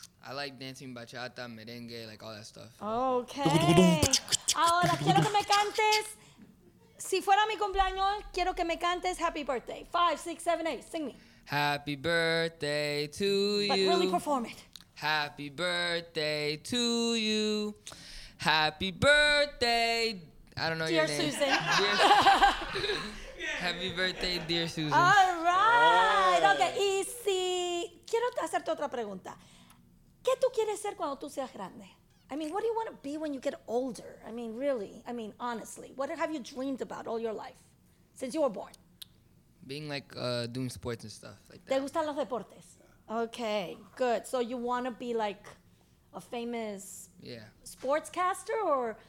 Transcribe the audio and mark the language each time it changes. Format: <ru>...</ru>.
<en>I like dancing bachata, merengue, like all that stuff.</en> <es>Okay. Ahora, quiero que me cantes. Si fuera mi cumpleaños, quiero que me cantes Happy Birthday.</es> <en>5, 6, 7, 8. Sing me. Happy birthday to you. But really perform it. Happy birthday to you. Happy birthday. I don't know dear your Susan. Name. Dear Susan. Happy birthday, dear Susan. All right. Okay.</en> <es>Y si quiero hacerte otra pregunta. ¿Qué tú quieres ser cuando tú seas grande?</es> <en>I mean, what do you want to be when you get older? I mean, really. I mean, honestly. What have you dreamed about all your life since you were born? Being like doing sports and stuff like that.</en> <es>¿Te gustan los deportes?</es> <en>Okay, good. So you want to be like a famous sportscaster or?</en>